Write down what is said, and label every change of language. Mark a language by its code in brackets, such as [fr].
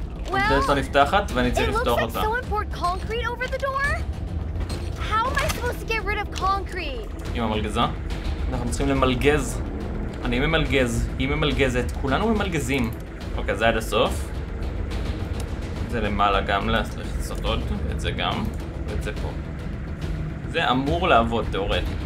[he] Well, הדלת לא נפתחת ואני צריך לפתוח אותה. [en] It looks like someone poured concrete over the door. How am I supposed to get rid of concrete? [he] עם המלגזה? אנחנו צריכים למלגז. אני ממלגז, היא ממלגזת, כולנו ממלגזים. אוקיי, זה עד הסוף. זה למעלה גם לעשות עוד, ואת זה גם, ואת זה פה. זה אמור לעבוד, תאורטית.